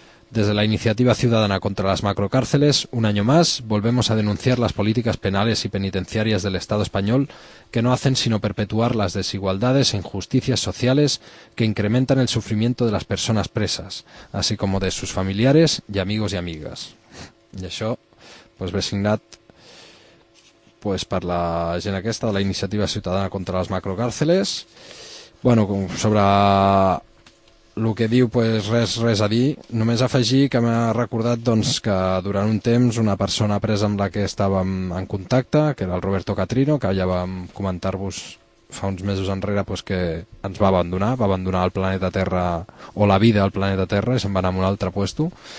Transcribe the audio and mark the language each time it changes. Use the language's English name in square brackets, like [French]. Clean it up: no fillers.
[Spanish] Desde la Iniciativa Ciudadana contra las Macrocárceles, un año más, volvemos a denunciar las políticas penales y penitenciarias del Estado español que no hacen sino perpetuar las desigualdades e injusticias sociales que incrementan el sufrimiento de las personas presas, así como de sus familiares y amigos y amigas. [Catalan] I això, pues, ve signat, pues, per la gent aquesta de la Iniciativa Ciutadana contra les Macrocàrceles. Bueno, sobre el que diu, pues, res a dir. Només afegir que m'ha recordat, doncs, que durant un temps una persona presa amb la que estàvem en contacte, que era el Roberto Catrino, que ja vam comentar-vos fa uns mesos enrere, pues, que ens va abandonar el planeta Terra, o la vida al planeta Terra, i se'n va anar a un altre puesto.